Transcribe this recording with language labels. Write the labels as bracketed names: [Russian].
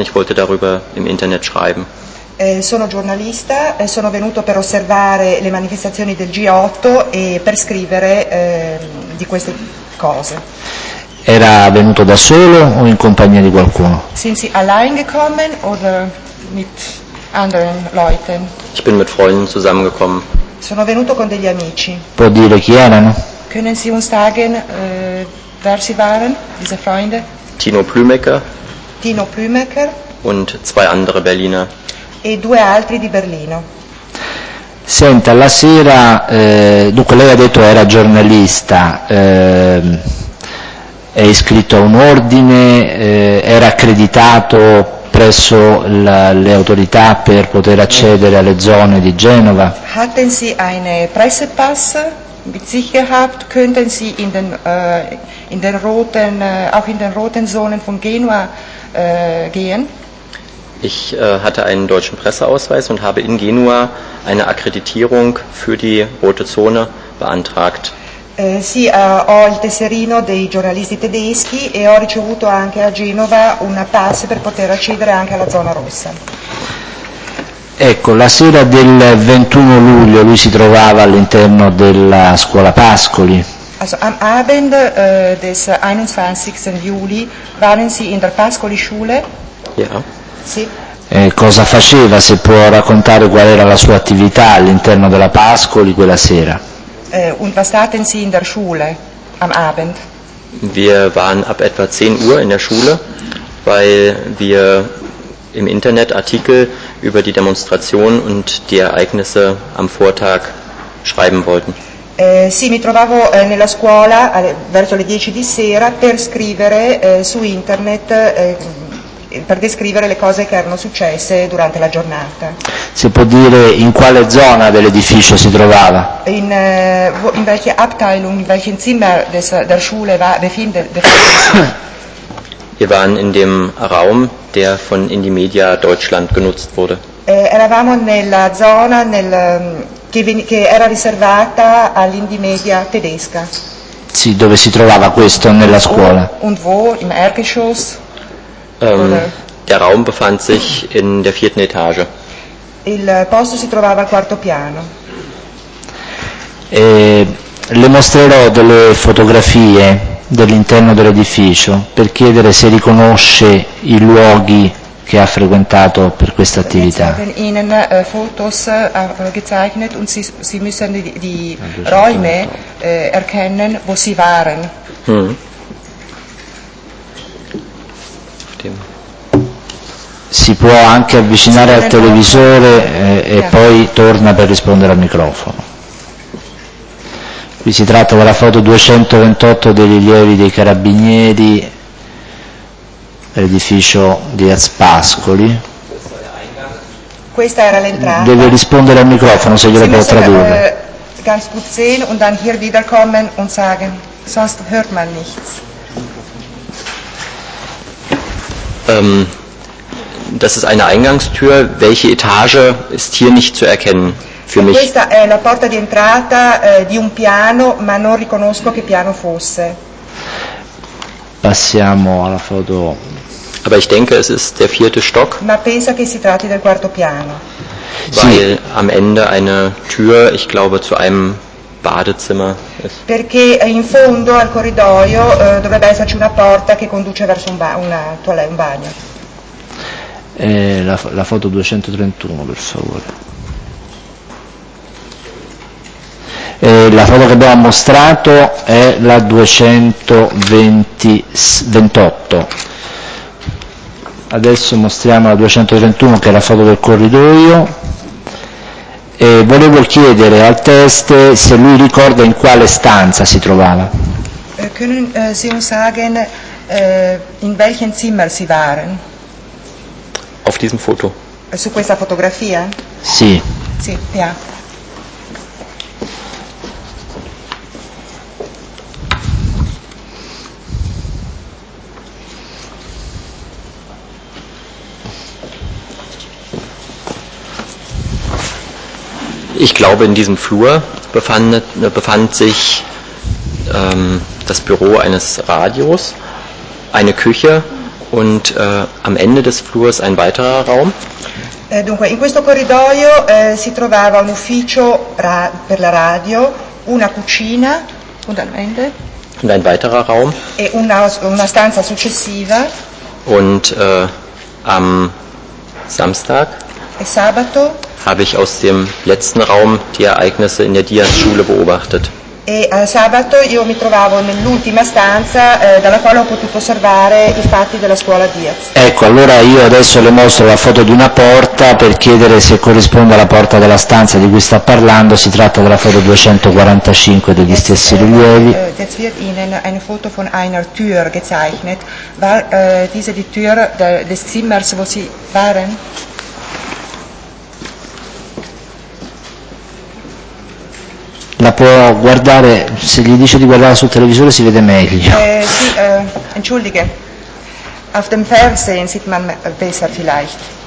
[German] Ich wollte darüber im Internet schreiben. [Italian] Sono giornalista, sono venuto per osservare le manifestazioni del G8 e per scrivere di queste cose. Era venuto da solo o in compagnia di qualcuno? [German] Sind Sie allein gekommen oder mit anderen Leuten? Ich bin mit Freunden zusammengekommen. [Italian] Sono venuto con degli amici. Può dire chi erano? [German] Können Sie uns sagen, wer sie waren, diese Freunde? Tino Plümecker. Tino Plümecker. Und zwei andere Berliner. [Italian] E due altri di Berlino. Senta, la sera, dunque lei ha detto era giornalista, è iscritto a un ordine, era accreditato presso le autorità per poter accedere alle zone di Genova. [German] Hatten Sie einen Pressepass? Mit Sicherheit könnten Sie in den roten Zonen von Genua gehen? Ich hatte einen deutschen Presseausweis und habe in Genua eine Akkreditierung für die rote Zone beantragt. [Italian] Sì, ho il tesserino dei giornalisti tedeschi e ho ricevuto anche a Genova una pass per poter accedere anche alla zona rossa. Ecco, la sera del 21 luglio lui si trovava all'interno della scuola Pascoli. [German] Also am Abend des 21. Juli waren Sie in der Pascoli Schule? Ja. [Italian] Sì. Cosa faceva, se può raccontare qual era la sua attività all'interno della Pascoli quella sera? [German] Und was taten Sie in der Schule am Abend? Wir waren ab etwa 10 Uhr in der Schule, weil wir im Internet Artikel über die Demonstration und die Ereignisse am Vortag schreiben wollten. [Italian] Sì, mi trovavo nella scuola verso le 10 di sera per scrivere su Internet per descrivere le cose che erano successe durante la giornata. Si può dire in quale zona dell'edificio si trovava? [German] In welche Abteilung, in welchen Zimmer der Schule war Wir waren in dem Raum, der von Indymedia Deutschland genutzt wurde. [Italian] Eravamo nella zona che era riservata all'Indymedia tedesca. Sì, dove si trovava questo nella scuola? [German] Und wo, im Erdgeschoss? Der Raum befand sich in der vierten Etage. [Italian] Il posto si trovava al quarto piano. Le mostrerò delle fotografie dell'interno dell'edificio per chiedere se riconosce i luoghi che ha frequentato per questa attività. [German] Ihnen Fotos gezeichnet und sie müssen die Räume erkennen, wo sie waren. [Italian] Si può anche avvicinare al televisore e poi torna per rispondere al microfono. Qui si tratta della foto 228 dei rilievi dei carabinieri, edificio di Aspascoli. Questa era l'entrata. Deve rispondere al microfono se glielo può tradurre. [German] Ganz gut sehen und dann hier wiederkommen und sagen, sonst hört man nichts. Das ist eine Eingangstür. Welche Etage ist hier nicht zu erkennen für mich? [Italian] Questa è la porta di entrata di un piano, ma non riconosco che piano fosse. Passiamo alla foto. [German] Aber ich denke, es ist der vierte Stock. [Italian] Ma penso che si tratti del quarto piano. [German] Weil am Ende eine Tür, ich glaube, zu einem Badezimmer ist. [Italian] Perché in fondo al corridoio dovrebbe esserci una porta che conduce verso un bagno. La foto 231, per favore. La foto che abbiamo mostrato è la 228. Adesso mostriamo la 231, che è la foto del corridoio. E volevo chiedere al test se lui ricorda in quale stanza si trovava. [German] Können Sie uns sagen, in welchem Zimmer Sie waren? Auf diesem Foto. [Italian] Su questa fotografia? Sì. Sì, ja. [German] Ich glaube, in diesem Flur befand sich das Büro eines Radios, eine Küche und am Ende des Flurs ein weiterer Raum. [Italian] Dunque, in questo corridoio si trovava un ufficio per la radio, una cucina [German] und am Ende. Und ein weiterer Raum. [Italian] E una stanza successiva. [German] Und am Samstag. [Italian] E sabato. [German] Habe ich aus dem letzten Raum die Ereignisse in der Diaz-Schule beobachtet. [Italian] E sabato io mi trovavo nell'ultima stanza dalla quale ho potuto osservare i fatti della scuola Diaz. Ecco, allora io adesso le mostro la foto di una porta per chiedere se corrisponde alla porta della stanza di cui sta parlando. Si tratta della foto 245 degli stessi rilievi. [German] Jetzt wird Ihnen eine Foto von einer Tür gezeichnet. War diese die Tür des Zimmers, wo Sie waren? [Italian] La può guardare, se gli dice di guardare sul televisore si vede meglio. [German] Sì, entschuldige. Auf dem Fernsehen sieht man besser vielleicht.